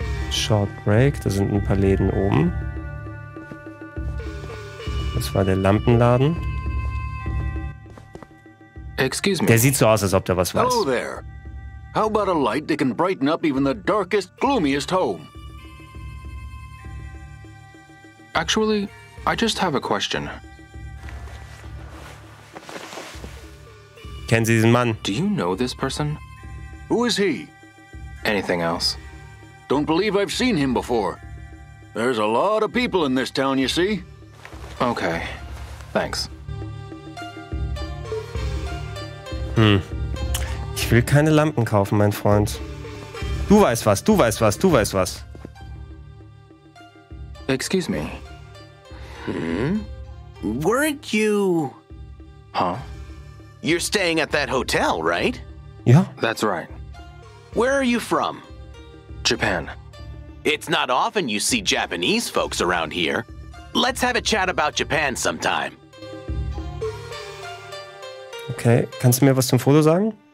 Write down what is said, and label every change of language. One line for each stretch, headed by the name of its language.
German: Short Break, da sind ein paar Läden oben. Das war der Lampenladen.
English: Excuse me.
German: Der sieht so aus, als ob der was weiß.
English: Hello there. How about a light that can brighten up even the darkest, gloomiest home? Actually, I just have a question.
German: Kennen Sie diesen Mann?
English: Do you know this person? Who is he? Anything else? Don't believe I've seen him before. There's a lot of people in this town, you see. Okay. Thanks.
German: Ich will keine Lampen kaufen, mein Freund. Du weißt was, du weißt was, du weißt was.
English: Excuse me. Weren't you... Huh? You're staying at that hotel, right? Yeah. That's right. Where are you from? Japan. It's not often you see Japanese folks around here. Let's have a chat about Japan sometime.
German: Okay, kannst du mir was zum Foto sagen?